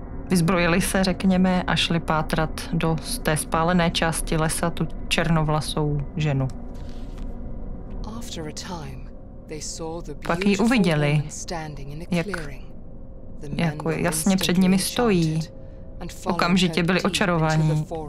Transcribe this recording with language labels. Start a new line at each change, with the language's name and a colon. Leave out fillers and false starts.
Czech: Vyzbrojili se, řekněme, a šli pátrat do té spálené části lesa tu černovlasou ženu.
English: After a time, they saw the beautiful woman standing in a clearing.
Czech: Jako jasně před nimi stojí. Okamžitě byli očarováni.